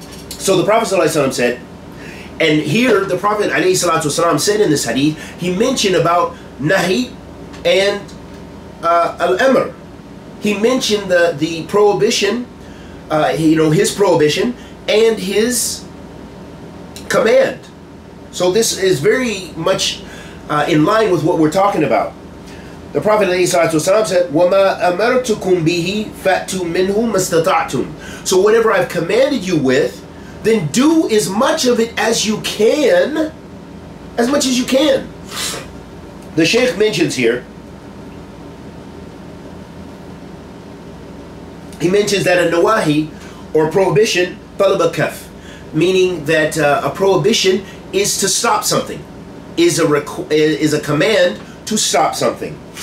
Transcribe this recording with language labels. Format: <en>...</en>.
<en>So the Prophet ﷺ said, and here the Prophet ﷺ said in this hadith, he mentioned about nahi and al-amr. He mentioned the prohibition, his prohibition and his command. So this is very much in line with what we're talking about. The Prophet ﷺ said,</en> <ar>وَمَا أَمَرْتُكُمْ بِهِ فَأْتُوا مِنْهُ مَسْتَطَعْتُمْ.</ar> <en>So whatever I've commanded you with, then do as much of it as you can, as much as you can. The Shaykh mentions here, he mentions that a nawahi, or prohibition,</en> <ar>طَلَبَ كَفْ,</ar> <en>meaning that a prohibition is to stop something, is a command to stop something.</en>